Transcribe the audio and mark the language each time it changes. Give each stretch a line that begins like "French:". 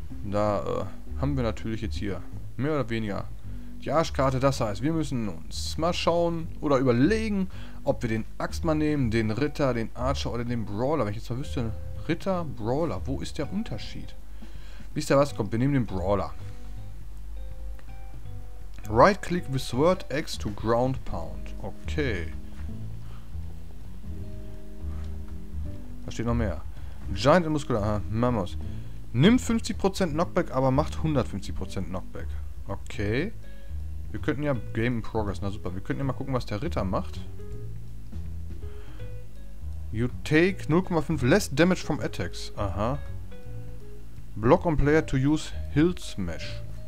German: Da haben wir natürlich jetzt hier mehr oder weniger die Arschkarte. Das heißt, wir müssen uns mal schauen oder überlegen, ob wir den Axtmann nehmen, den Ritter, den Archer oder den Brawler. Wenn ich jetzt mal wüsste, Ritter, Brawler, wo ist der Unterschied? Wisst ihr was? Kommt, wir nehmen den Brawler.
English: Right-click with Sword X to ground pound. Okay.
German: Da steht noch mehr.
English: Giant and Muscular.
German: Mammoth. Nimmt 50% Knockback, aber macht 150% Knockback. Okay. Wir könnten ja...
English: Game in Progress.
German: Na super. Wir könnten ja mal gucken, was der Ritter macht.
English: You take 0,5 less damage from attacks. Aha. Block on player to use Hill Smash.